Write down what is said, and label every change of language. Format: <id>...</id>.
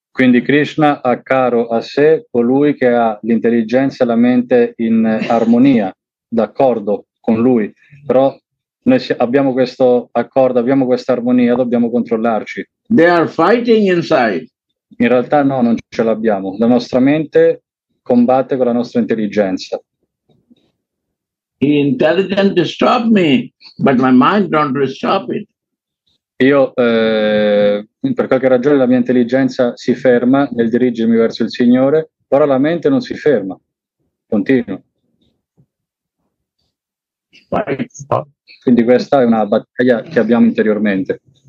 <it>Quindi Krishna ha caro a sé colui che ha l'intelligenza e la mente in armonia, d'accordo con lui. Però noi abbiamo questo accordo, abbiamo questa armonia, dobbiamo controllarci.</it> <en>They are fighting inside.</en> <it>In realtà no, non ce l'abbiamo. La nostra mente combatte con la nostra intelligenza.</it> <en>The intelligence stop me, but my mind don't stop it.</en> <it>Io per qualche ragione la mia intelligenza si ferma nel dirigermi verso il Signore, però la mente non si ferma, continua. Quindi questa è una battaglia che abbiamo interiormente.</it>